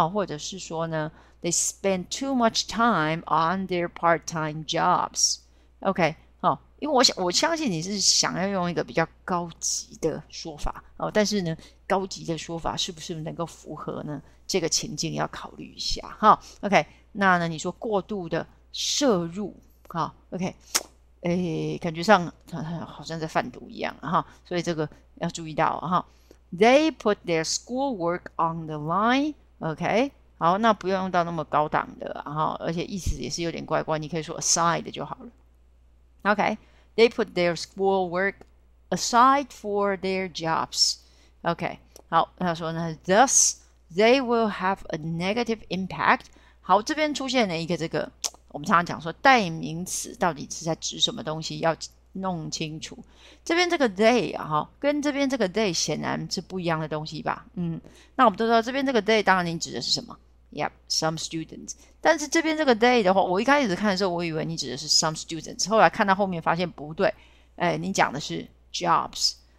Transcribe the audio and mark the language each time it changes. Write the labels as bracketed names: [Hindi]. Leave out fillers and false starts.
[Chinese] 或者是说呢， [English] they spend too much time on their part-time jobs， [Chinese] OK？哦，因为我相信你是想要用一个比较高级的说法哦，但是呢，高级的说法是不是能够符合呢？这个情境要考虑一下哈。 OK，那呢，你说过度的摄入哈，OK，感觉上好像在贩毒一样哈，所以这个要注意到哈。 [English] They put their schoolwork on the line， [Chinese] OK，好，那不用用到那么高档的，然后而且意思也是有点怪怪，你可以说 aside 就好了。 [English] OK，they put their school work aside for their jobs. OK， [Chinese] 好，他说呢， [English] thus they will have a negative impact. [Chinese] 好，这边出现了一个这个，我们常常讲说代名词到底是在指什么东西，要弄清楚。这边这个 they 啊，哈，跟这边这个 they 显然是不一样的东西吧？嗯，那我们都知道这边这个 they，当然你指的是什么？ [English] Yep，some students。 [Chinese] 但是这边这个 they 的话，我一开始看的时候，我以为你指的是 some students，后来看到后面发现不对，哎，你讲的是 jobs。